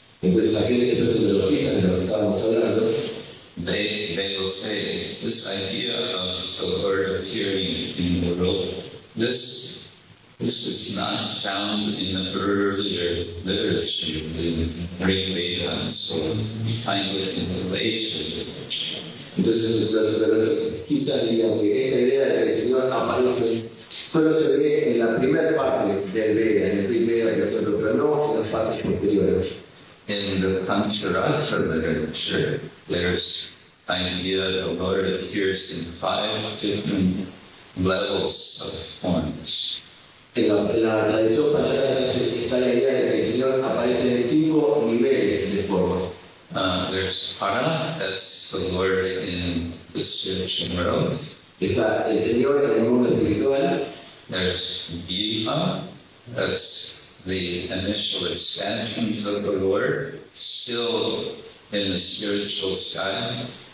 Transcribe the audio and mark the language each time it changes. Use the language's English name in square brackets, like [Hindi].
[Spanish] Entonces aquella que es la filosofía de la que estábamos hablando, [English] they will say this idea of the word appearing in the world, this is not found in the earlier literature, the Rig Veda, so we find it in the later literature. [Spanish] Entonces la filosofía de la que esta idea de que el Señor aparece solo se ve en la primera parte del Veda, en el primer capítulo, pero no en las partes superiores. [English] In the Pancharatra literature, there's idea that the Lord appears in five different levels of forms. [Spanish] En la tradición Pancharatra está la idea de que el Señor aparece en cinco niveles de forma. [English] There's para, that's the Lord in the spiritual world. [Spanish] Está el Señor en el mundo espiritual. [English] There's jiva, that's the initial expansions of the Lord, still in the spiritual sky.